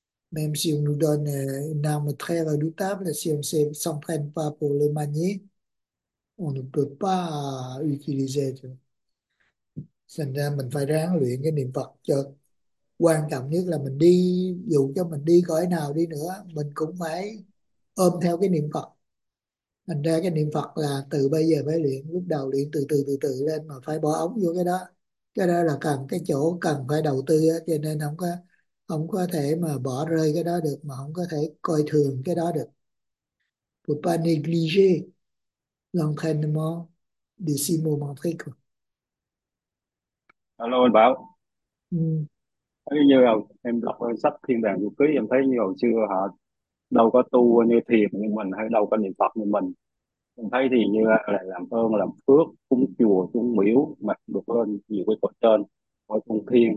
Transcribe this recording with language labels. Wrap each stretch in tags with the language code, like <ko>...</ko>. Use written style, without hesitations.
<fr>Même si on nous donne une arme très redoutable, si on ne s'entraîne pas pour le manier, on ne peut pas utiliser.</fr> <vi>Thành ra mình phải ráng luyện cái niệm Phật cho quan trọng nhất là mình đi, dù cho mình đi cõi nào đi nữa, mình cũng phải ôm theo cái niệm Phật. Thành ra cái niệm Phật là từ bây giờ phải luyện, lúc đầu luyện từ từ lên mà phải bỏ ống vô cái đó. Cái đó là cần cái chỗ cần phải đầu tư á, cho nên không có thể mà bỏ rơi cái đó được, mà không có thể coi thường cái đó được.</vi> <fr>Faut pas négliger l'entraînement des six mots mantriques.</fr> <vi>Alo, anh Bảo. Ừ. Thấy như hồi, em đọc sách Thiên Đàng Du Ký, em thấy như hồi xưa họ đâu có tu như thiền như mình hay đâu có niệm Phật như mình. Em thấy thì như là làm ơn, làm phước, cúng chùa, cúng miếu, mà được lên nhiều cái cõi trên, cõi cung thiên.</vi>